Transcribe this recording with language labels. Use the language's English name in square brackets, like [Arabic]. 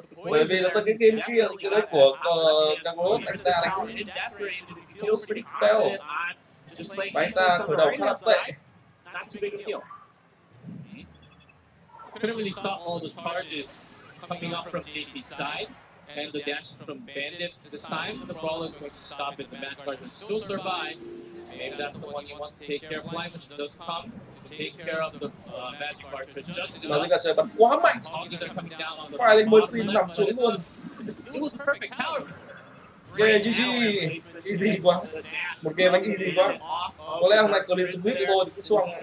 [Vietnamese] Bởi vì là tới cái game kia, cái đấy của Carlos, anh ta đánh cũng không có sleep spell. Và anh ta khởi đầu khá là tệ. [English] Couldn't really stop all the charges coming up from JP's side and the dash from Bandit. This time, the Brawler is going to stop it. The Mad Card still survives. Maybe that's the one you want to take care of. Flying Machine does come to take care of the Mad Card. [Vietnamese] Magic Archer bật quá mạnh. Flying Machine nằm xuống luôn. [English] It was perfect. However, [Vietnamese] game GG, easy quá. Một game đánh easy quá. Có lẽ hôm nay có đến sweep thôi thì cũng